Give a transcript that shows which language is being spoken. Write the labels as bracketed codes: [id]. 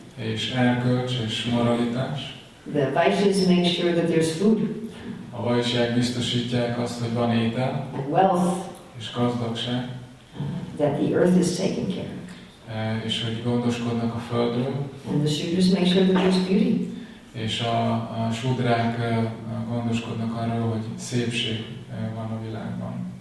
[hu] És erkölcs és moralitás. [en] The vaishyas make sure that there's food. [hu] A vaishyák biztosítják azt, hogy van étel. [en] And wealth. [hu] És gazdagság. [en] That the earth is taken care of. [hu] És hogy gondoskodnak a földről. [en] And the sudras make sure that there's beauty. [hu] És a sudrák gondoskodnak arról, hogy szépség van a világban.